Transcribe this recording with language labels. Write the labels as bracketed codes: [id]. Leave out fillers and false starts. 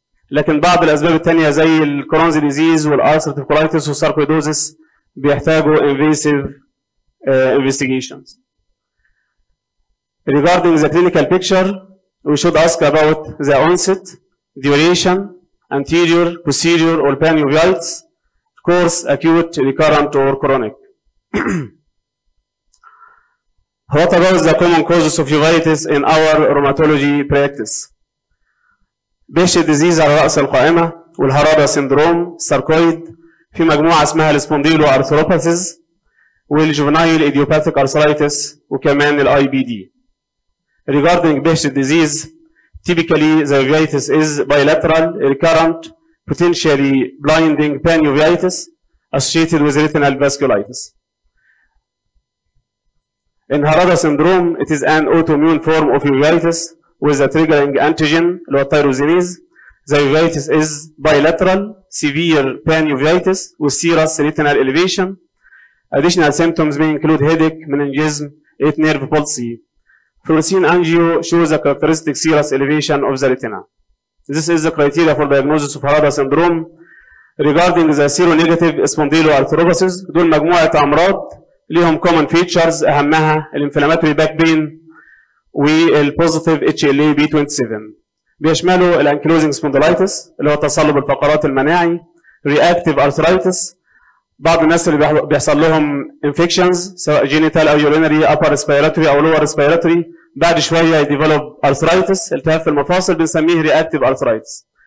[ar] لكن بعض الأسباب التانية زي الكرونز ديزيز والأرثرتيف كوليتس والساركويدوزيس بيحتاجوا [en] invasive investigations. Regarding the clinical picture, we should ask about the onset, duration, anterior, posterior, or panuveitis, course, acute, recurrent, or chronic. What about the common causes of uveitis in our rheumatology practice? [ar] Behçet disease على رأس القائمة، والهرادة syndrome, sarcoid، في مجموعة اسمها spondyloarthropathies، والjuvenile idiopathic arthritis، وكمان الـ IBD. [en] Regarding Behçet disease, typically the uveitis is bilateral, recurrent, potentially blinding panuveitis associated with retinal vasculitis. In Harada syndrome, it is an autoimmune form of uveitis with a triggering antigen, low tyrosinase. The uveitis is bilateral, severe panuveitis with serous retinal elevation. Additional symptoms may include headache, meningism, eight nerve palsy. Fluorescein angio shows a characteristic serous elevation of the retina. This is the criteria for diagnosis of Harada syndrome. Regarding the seronegative spondyloarthrogryposis, [ar] دول مجموعة أمراض ليهم [en] common features [ar] أهمها [en] الانفلاماتوري back pain والبوزيتيف H L A B 27. [ar] بيشملوا الانكلوزنج سبوندلايتس اللي هو تصلب الفقرات المناعي، رياكتيف ارثرايتس، بعض الناس اللي بيحصل لهم انفكشنز سواء جينيتال او يورينري ابر ريسبيراتوري او لور ريسبيراتوري، بعد شويه يديفلوب ارثرايتس التهاب في المفاصل بنسميه رياكتيف ارثرايتس.